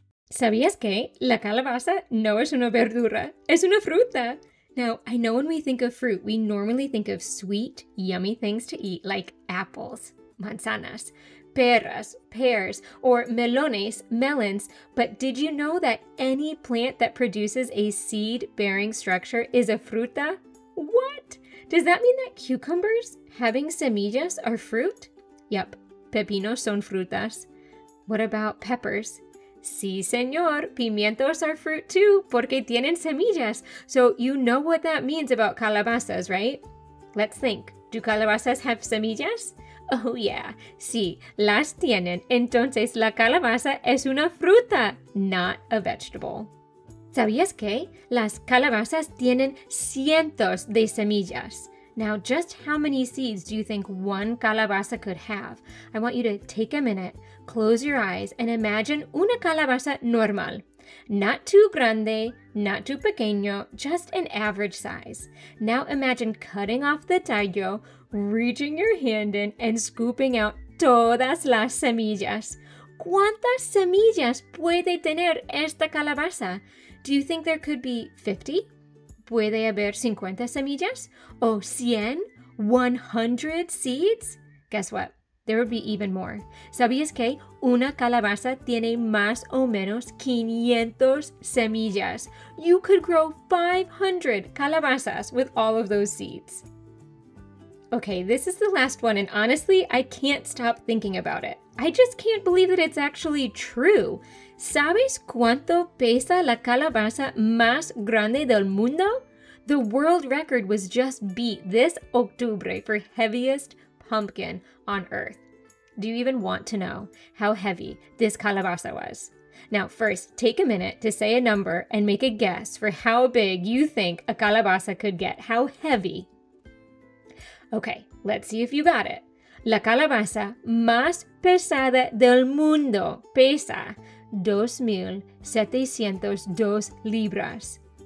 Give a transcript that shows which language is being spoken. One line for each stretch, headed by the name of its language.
Spanish: ¿Sabías que la calabaza no es una verdura? ¡Es una fruta!
English: Now, I know when we think of fruit, we normally think of sweet, yummy things to eat, like apples, manzanas, peras, pears, or melones, melons. But did you know that any plant that produces a seed-bearing structure is a fruta? What? Does that mean that cucumbers having semillas are fruit? Yep,
Spanish: pepinos son frutas.
English: What about peppers?
Spanish: Sí, señor. Pimientos
English: are fruit too,
Spanish: porque tienen semillas.
English: So you know what that means about calabazas, right? Let's think. Do calabazas have semillas? Oh, yeah.
Spanish: Sí, las tienen. Entonces, la calabaza es una fruta,
English: not a vegetable.
Spanish: ¿Sabías que las calabazas tienen cientos de semillas?
English: Now, just how many seeds do you think one calabaza could have? I want you to take a minute, close your eyes, and imagine
Spanish: una calabaza normal.
English: Not too grande, not too pequeño, just an average size. Now imagine cutting off the tallo, reaching your hand in, and scooping out
Spanish: todas las semillas. ¿Cuántas semillas puede tener esta calabaza?
English: Do you think there could be 50?
Spanish: ¿Puede haber 50 semillas? ¿O 100?
English: ¿100 seeds? Guess what? There would be even more.
Spanish: ¿Sabías que una calabaza tiene más o menos 500 semillas?
English: You could grow 500 calabazas with all of those seeds. Okay, this is the last one, and honestly, I can't stop thinking about it. I just can't believe that it's actually true.
Spanish: ¿Sabes cuánto pesa la calabaza más grande del mundo?
English: The world record was just beat this octubre for heaviest pumpkin on Earth. Do you even want to know how heavy this calabaza was? Now, first, take a minute to say a number and make a guess for how big you think a calabaza could get. How heavy? Okay, let's see if you got it.
Spanish: La calabaza más pesada del mundo pesa 2,702 libras.